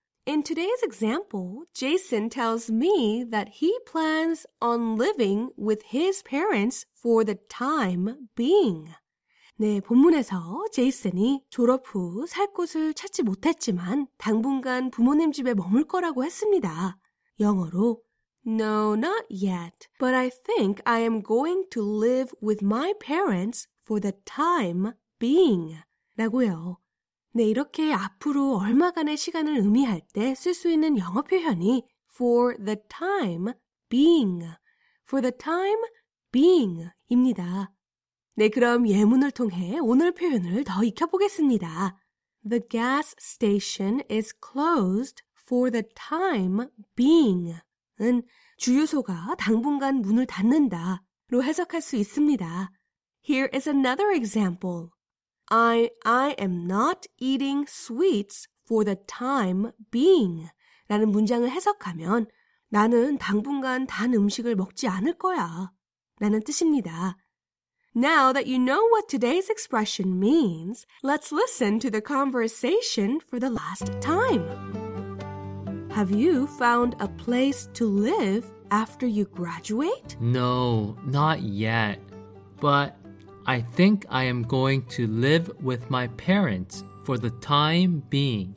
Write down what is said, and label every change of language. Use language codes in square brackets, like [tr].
[en] In today's example, Jason tells me that he plans on living with his parents for the time being. [ko] 네, 본문에서 제이슨이 졸업 후 살 곳을 찾지 못했지만 당분간 부모님 집에 머물 거라고 했습니다. 영어로 [en] No, not yet, but I think I am going to live with my parents for the time being [ko] 라고요. 네, 이렇게 앞으로 얼마간의 시간을 의미할 때 쓸 수 있는 영어 표현이 [en] for the time being, [ko] for the time being 입니다. 네, 그럼 예문을 통해 오늘 표현을 더 익혀보겠습니다. [en] The gas station is closed for the time being. [ko] 은 주유소가 당분간 문을 닫는다로 해석할 수 있습니다. [en] Here is another example. I am not eating sweets for the time being [ko] 라는 문장을 해석하면 나는 당분간 단 음식을 먹지 않을 거야 라는 뜻입니다. [en] Now that you know what today's expression means, let's listen to the conversation for the last time. Have you found a place to live after you graduate? No, not yet. But I think I am going to live with my parents for the time being.